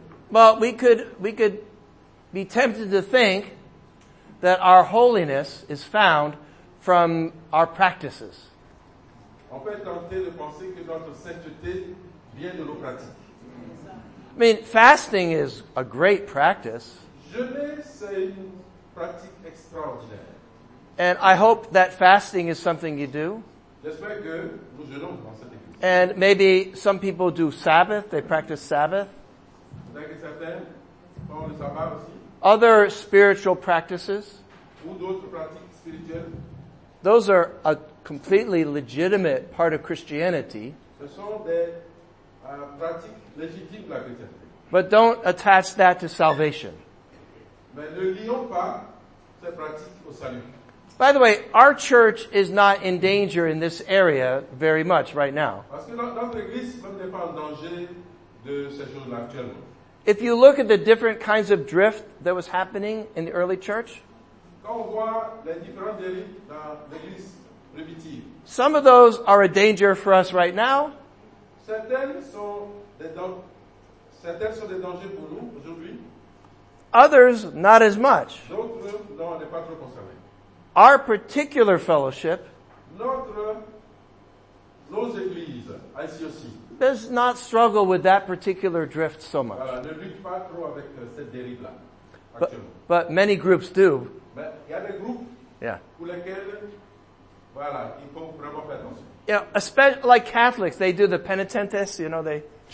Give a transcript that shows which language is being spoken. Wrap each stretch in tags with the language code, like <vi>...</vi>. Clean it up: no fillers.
<en>Well, we could be tempted to think that our holiness is found from our practices.</en> <fr>On peut être tenté de penser que notre sainteté vient de nos pratiques.</fr> <en>I mean, fasting is a great practice.</en> <fr>Jeûner, c'est une pratique extraordinaire.</fr> <en>And I hope that fasting is something you do.</en> <fr>J'espère que nous jeûnons dans cette église.</fr> <en>And maybe some people do Sabbath, they practice Sabbath.</en> <fr>Peut-être que certains font le sabbat aussi.</fr> <en>Other spiritual practices.</en> <fr>Ou d'autres pratiques spirituelles.</fr> <en>Those are a completely legitimate part of Christianity.</en> <fr>Ce sont des pratique légitime de la chrétienté.</fr> <en>But don't attach that to salvation.</en> <fr>Mais ne lions pas ces pratiques au salut.</fr> <en>By the way, our church is not in danger in this area very much right now.</en> <fr>Parce que dans l'église, on n'est pas en danger de ces choses-là actuellement.</fr> <en>If you look at the different kinds of drift that was happening in the early church,</en> <fr>quand on voit les différentes dérives dans l'église primitive,</fr> <en>some of those are a danger for us right now.</en> <fr>Certaines sont des dangers pour nous aujourd'hui.</fr> <en>Others, not as much.</en> <fr>D'autres, non, on n'est pas trop concerné.</fr> <en>Our particular fellowship,</en> <fr>nos églises, ICOC,</fr> <en>does not struggle with that particular drift so much.</en> <fr>Ne lutte pas trop avec cette dérive-là,</fr> <en>but many groups do.</en> <fr>Y a des groupes,</fr> <en>yeah.</en> <fr>Pour lesquels, voilà, il faut vraiment faire attention.</fr> <en>You know, especially like Catholics, they do the penitentes, you know, they...</en>